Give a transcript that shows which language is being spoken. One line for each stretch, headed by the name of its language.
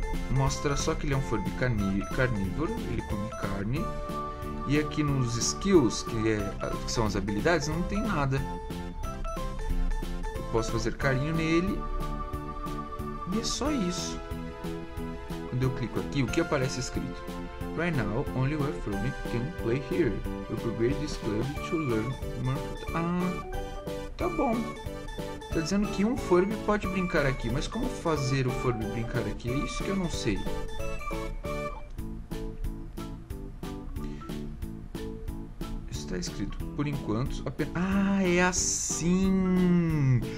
Portuguese: mostra só que ele é um furby carnívoro, ele come carne. E aqui nos skills, que são as habilidades, não tem nada. Eu posso fazer carinho nele. E é só isso. Quando eu clico aqui, o que aparece escrito?
English: Right now, only one furby can play here. You upgrade this club to learn more.
Portuguese: Ah, tá bom. Tá dizendo que um furby pode brincar aqui, mas como fazer o furby brincar aqui? É isso que eu não sei. Está escrito, por enquanto, apenas... Ah, é assim!